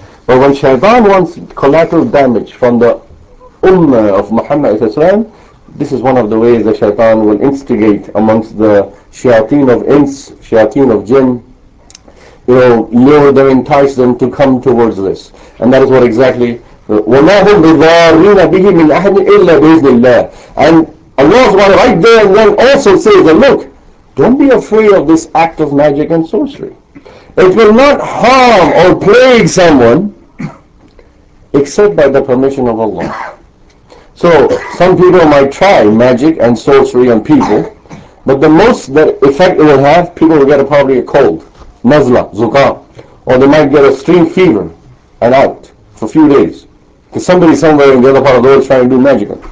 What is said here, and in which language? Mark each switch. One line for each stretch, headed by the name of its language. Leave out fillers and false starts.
English: But when Shaitan wants collateral damage from the ummah of Muhammad ﷺ, this is one of the ways that Shaitan will instigate amongst the shayateen of ins, shayateen of jinn, you know, lure them, entice them to come towards this. And that is what exactly,
Arabic: وَمَا هُمْ بِذَارِينَ بِهِ مِنْ أَحَدٍ إِلَّا بِإِذْنِ اللَّهِ.
English: And Allah SWT right there and then also says that, look, don't be afraid of this act of magic and sorcery. It will not harm or plague someone except by the permission of Allah. So some people might try magic and sorcery on people, but the most that effect it will have, people will get probably a cold, nazla, zukam, or they might get a extreme fever and out for a few days, because somebody somewhere in the other part of the world is trying to do magic.